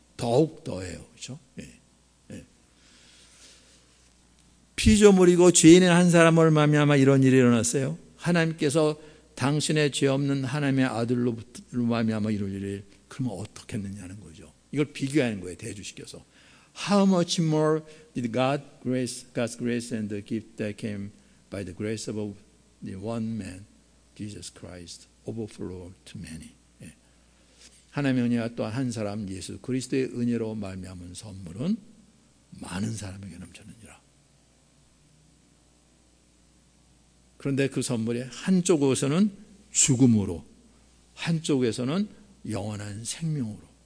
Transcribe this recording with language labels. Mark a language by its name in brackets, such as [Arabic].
[Korean] 더욱더예요. 그렇죠? 예. 예. 피조물이고 죄인인 한 사람을 말미암아 이런 일이 일어났어요. 하나님께서 당신의 죄 없는 하나님의 아들로 말미암아 이런 일이 그러면 어떻겠느냐는 거죠. 이걸 비교하는 거예요. 대주시켜서. [English] How much more did God's grace and the gift that came by the grace of the one man, Jesus Christ, overflow to many? [Korean] 예. 하나님의 은혜와 또 한 사람 예수 그리스도의 은혜로 말미암은 선물은 많은 사람에게 넘쳤느니라. 그런데 그 선물의 한쪽에서는 죽음으로, 한쪽에서는 영원한 생명으로.